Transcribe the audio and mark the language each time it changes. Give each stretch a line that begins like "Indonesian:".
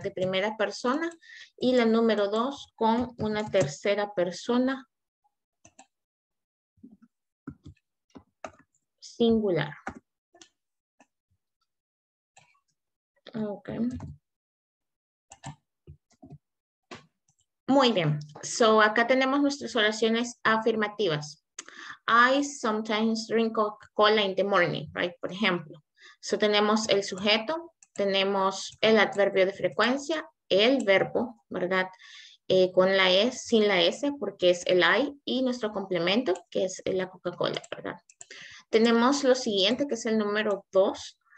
Spanish: De primera persona, y la número dos con una tercera persona singular. Okay. Muy bien, so acá tenemos nuestras oraciones afirmativas.
English: I sometimes drink Coca-Cola in the morning, right?
Spanish: Por ejemplo. So, tenemos el sujeto, tenemos el adverbio de frecuencia, el verbo, ¿verdad? Con la S, sin la S, porque es el I, y nuestro complemento, que es la Coca-Cola, ¿verdad? Tenemos lo siguiente, que es el número 2,